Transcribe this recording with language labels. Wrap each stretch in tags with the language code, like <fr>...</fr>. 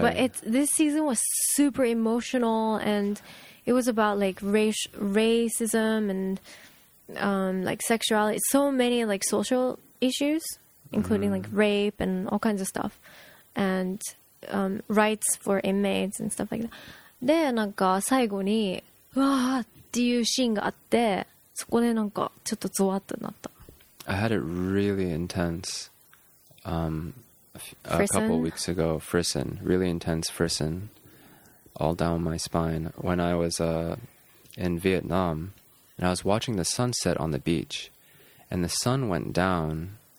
<en>but it's, this season was super emotional and it was about like racism and like sexuality, so many like social issues, including、mm-hmm. like rape and all kinds of stuff, and rights for inmates and stuff like that.</en> <ja>で、なんか最後に、わーっていうシーンがあって、そこでなんかちょっとゾワッとなった。</ja> <en>I had it really intense a couple weeks ago. Frisson. Really intense frisson all down my spine when I was in Vietnam. And I was watching the sunset on the beach. And the sun went down.</en>